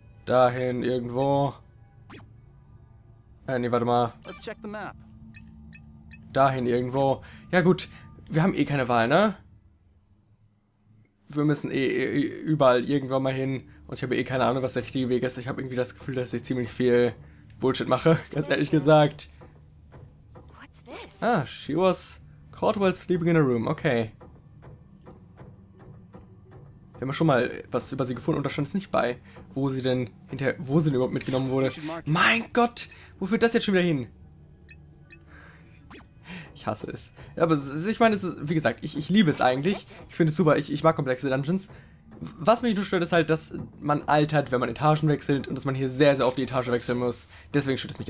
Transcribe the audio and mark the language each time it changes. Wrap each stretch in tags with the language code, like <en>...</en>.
<de>Dahin, irgendwo. Nee, warte mal.</de> <en>Let's check the map.</en> <de>Dahin, irgendwo. Ja gut, wir haben eh keine Wahl, ne? Wir müssen eh überall irgendwann mal hin. Und ich habe eh keine Ahnung, was der richtige Weg ist. Ich habe irgendwie das Gefühl, dass ich ziemlich viel Bullshit mache, ganz ehrlich gesagt.</de> <en>What's this? Ah, she was Caldwell sleeping in a room. Okay.</en> <de>Wir haben schon mal was über sie gefunden und da stand es nicht bei, wo sie denn hinter, wo sie denn überhaupt mitgenommen wurde. Mein Gott, wo führt das jetzt schon wieder hin? Ich hasse es. Ja, aber ich meine, es ist, wie gesagt, ich liebe es eigentlich. Ich finde es super, ich mag komplexe Dungeons. Was mich nur stört, ist halt, dass man altert, wenn man Etagen wechselt und dass man hier sehr, sehr oft die Etage wechseln muss. Deswegen stört es mich.</de>